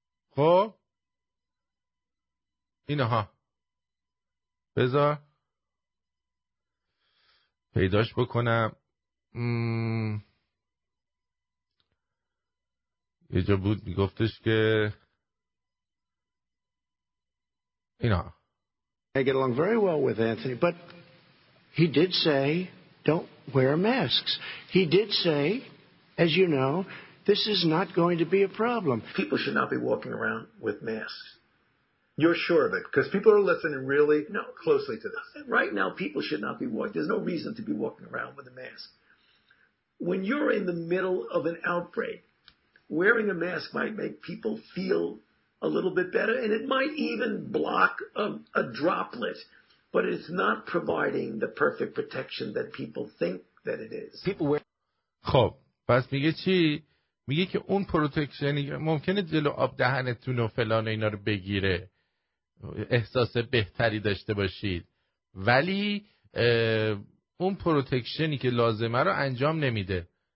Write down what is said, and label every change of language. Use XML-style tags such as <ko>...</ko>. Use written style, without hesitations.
<fa>خب اینها بذار پیداش بکنم یه جا بود میگفتش که</fa> <en>I get along very well with Anthony, but he did say, don't wear masks. He did say, as you know, this is not going to be a problem. People should not be walking around with masks. You're sure of it, because people are listening really closely to this. Right now, people should not be walking. There's no reason to be walking around with a mask. When you're in the middle of an outbreak, wearing a mask might make people feel a little bit better, and it might even block a droplet, but it's not providing the perfect protection that people think that it is. People wear.</en> <fa>خب، پس میگه چی؟ میگه که اون پروتکشنی ممکنه جلو آب دهنتون و فلان اینا رو بگیره، احساس بهتری داشته باشید، ولی اون پروتکشنی که لازمه رو انجام نمیده.</fa>